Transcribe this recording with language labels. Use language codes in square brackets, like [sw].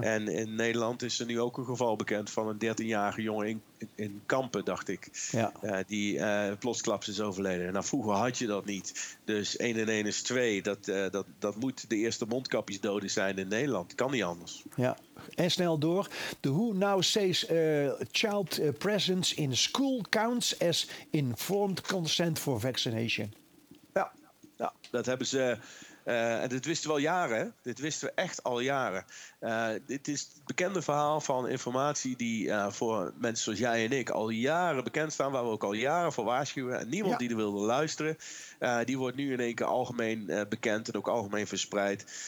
[nl] En in Nederland is er nu ook een geval bekend van een 13-jarige jongen in Kampen, dacht ik. Ja. Die plotsklaps is overleden. Nou, vroeger had je dat niet. Dus 1 en 1 is 2. Dat moet de eerste mondkapjesdoden zijn in Nederland. Kan niet anders. Ja. En snel door. [en] The WHO now says child presence in school counts as informed consent for vaccination. [nl] Ja, dat hebben ze. En dit wisten we al jaren. Dit wisten we echt al jaren. Dit is het bekende verhaal van informatie die voor mensen zoals jij en ik al jaren bekend staan, waar we ook al jaren voor waarschuwen. En niemand die er wilde luisteren, die wordt nu in één keer algemeen bekend en ook algemeen verspreid.